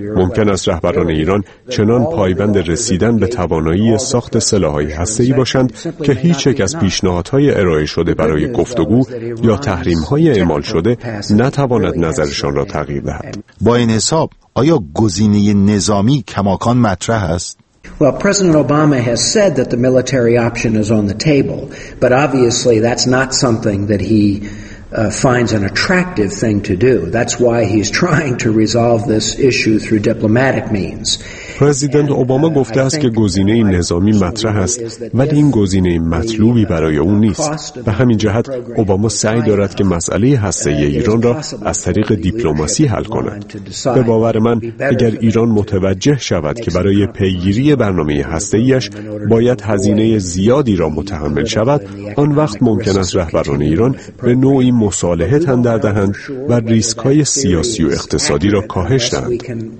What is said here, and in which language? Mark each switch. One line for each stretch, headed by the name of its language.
Persian: ممکن است رهبران ایران چنان پایبند رسیدن به توانایی ساخت سلاح‌های هسته‌ای باشند که هیچ یک از پیشنهادهای ارائه شده برای گفتگو یا تحریم‌های اعمال شده نتواند نظرشان را تغییر دهد. با این حساب آیا گزینه نظامی کماکان مطرح است؟
English: Well, President Obama has said that the military option is on the table, but obviously that's not something that he finds an attractive thing to do. That's why he's trying to resolve this issue through diplomatic means.
Persian: پرزیدنت اوباما گفته است که گزینه نظامی مطرح است، ولی این گزینه مطلوبی برای او نیست. به همین جهت اوباما سعی دارد که مسئله هسته‌ای ایران را از طریق دیپلماسی حل کند. به باور من اگر ایران متوجه شود که برای پیگیری برنامه هسته‌ایش باید هزینه زیادی را متحمل شود، آن وقت ممکن است رهبران ایران به نوعی مصالحه تن در دهند و ریسک‌های سیاسی و اقتصادی را کاهش دهند.